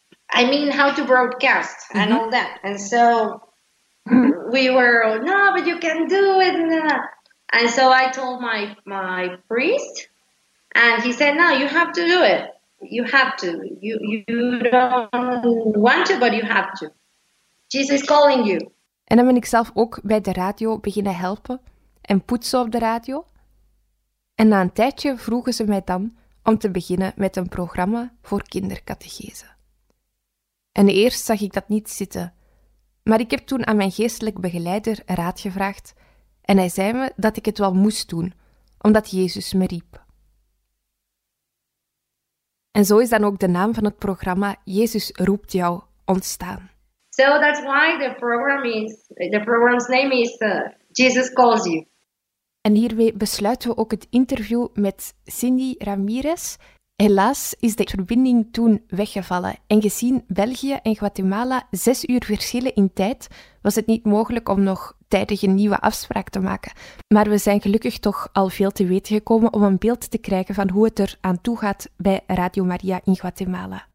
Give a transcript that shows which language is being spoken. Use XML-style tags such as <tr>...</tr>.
<en>I mean, how to broadcast mm-hmm. and all that. And so we were, oh, no, but you can do it. And so I told my priest. And he said, no, you have to do it. You have to. You don't want to, but you have to. Jesus is calling you.</en> <nl>En dan ben ik zelf ook bij de radio beginnen helpen en poetsen op de radio. En na een tijdje vroegen ze mij dan om te beginnen met een programma voor kindercatechese. En eerst zag ik dat niet zitten. Maar ik heb toen aan mijn geestelijk begeleider raad gevraagd en hij zei me dat ik het wel moest doen, omdat Jezus me riep. En zo is dan ook de naam van het programma Jezus roept jou ontstaan.</nl> <en>So that's why the program's name is Jesus Calls You.</en> <nl>En hiermee besluiten we ook het interview met Cindy Ramirez. Helaas is de verbinding toen weggevallen. En gezien België en Guatemala 6 uur verschillen in tijd, was het niet mogelijk om nog tijdig een nieuwe afspraak te maken. Maar we zijn gelukkig toch al veel te weten gekomen om een beeld te krijgen van hoe het er aan toe gaat bij Radio Maria in Guatemala.</nl>